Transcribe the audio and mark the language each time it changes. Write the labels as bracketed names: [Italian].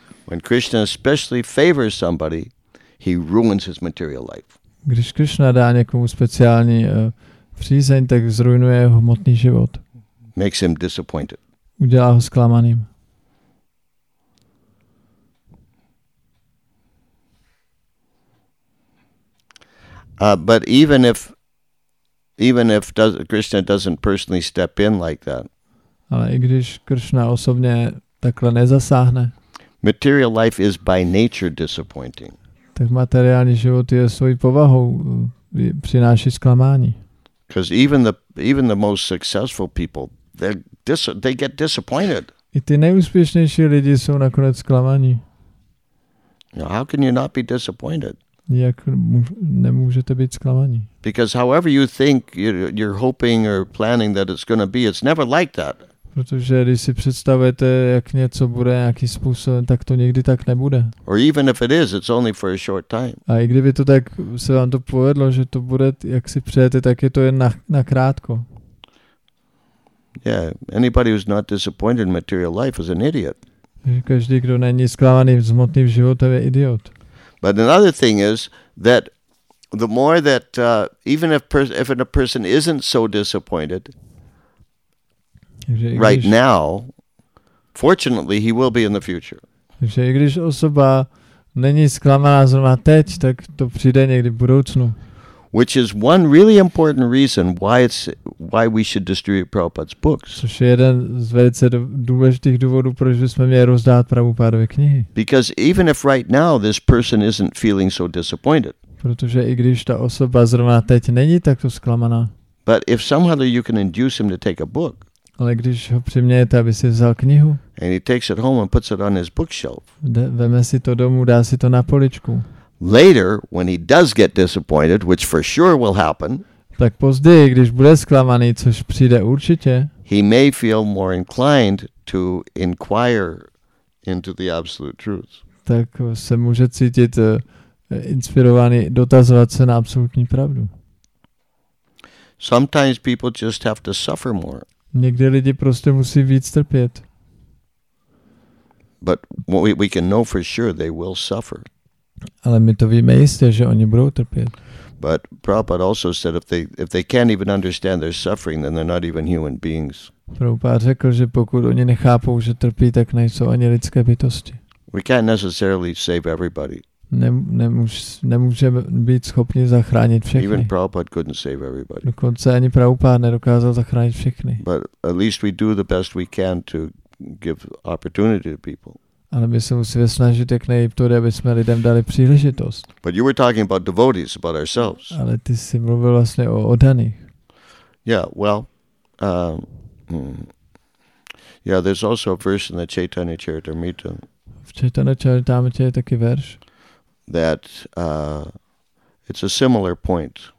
[English] When Krishna especially favors somebody, he ruins his material life. [Czech] Když Krishna dá někomu speciální přízeň, tak zrujnuje jeho hmotný život. [English] Makes him disappointed. [Czech] Udělá ho zklamaným. [English] But even if Krishna doesn't personally step in like that. [Czech] Ale i když Krishna osobně takhle nezasáhne. [English] Material life is by nature disappointing. [Czech] Tak materiální život je svojí povahou přináší zklamání. [English] Because even the most successful people, they get disappointed. [Czech] I ty nejúspěšnější lidi jsou nakonec zklamaní. [English] Now, how can you not be disappointed? [Czech] Jak nemůžete být zklamaní? [English] Because however you think you're hoping or planning that it's going to be, it's never like that. [Czech] Protože když si představujete, jak něco bude, jaký způsob, tak to nikdy tak nebude. [English] Or even if it is, it's only for a short time. [Czech] A i kdyby to tak se vám to povedlo, že to bude, jak si přejete, tak je to jen na krátko. [English] Yeah, anybody who's not disappointed in material life is an idiot. [Czech] Každý, kdo není zklamaný v hmotném životě, je idiot. [English] But another thing is that the more that even if a person isn't so disappointed, [Czech] takže [English] right [Czech] když, [English] now, fortunately, he will be in the future. [Czech] Takže i když osoba není zklamaná zrovna teď, tak to přijde někdy v budoucnu. [English] Which is one really important reason why we should distribute Prabhupada's books. [Czech] Což je jeden z velice důležitých důvodů, proč bychom měli rozdát Prabhupádovy knihy. [English] Because even if right now this person isn't feeling so disappointed. [Czech] Protože i když ta osoba zrovna teď není takto zklamaná. [English] But if somehow you can induce him to take a book. [Czech] Ale když ho přimějete, aby si vzal knihu. [English] And he takes it home and puts it on his bookshelf. [Czech] Veme si to domů, dá si to na poličku. [English] Later, when he does get disappointed, which for sure will happen, [Czech] tak později, když bude zklamaný, což přijde určitě, [English] he may feel more inclined to inquire into the absolute truth. [Czech] Tak se může cítit inspirovaný dotazovat se na absolutní pravdu. [English] Sometimes people just have to suffer more. [Czech] Někdy lidi prostě musí víc trpět. [English] But we can know for sure they will suffer. [Czech] Ale my to víme jistě, že oni budou trpět. [English] But Prabhupada also said if they can't even understand their suffering, then they're not even human beings. [Czech] Prabhupada řekl, že pokud oni nechápou, že trpí, tak nejsou ani lidské bytosti. [English] We can't necessarily save everybody. [Czech] Nemůžeme být schopni zachránit všechny. [English] Even Prabhupada couldn't save everybody. [Czech] Dokonce ani Prabhupada nedokázal zachránit všechny. [English] But at least we do the best we can to give opportunity to people. [Czech] Ale my se musíme snažit jak nejlíp to, aby jsme lidem dali příležitost. [English] But you were talking about devotees, about ourselves. [Czech] Ale ty jsi mluvil vlastně o oddaných. [English] Yeah, well, yeah, there's also a verse in the Chaitanya Charitamrita. [Czech] V Chaitanya Charitamrita je taky verš. [English] That it's a similar point.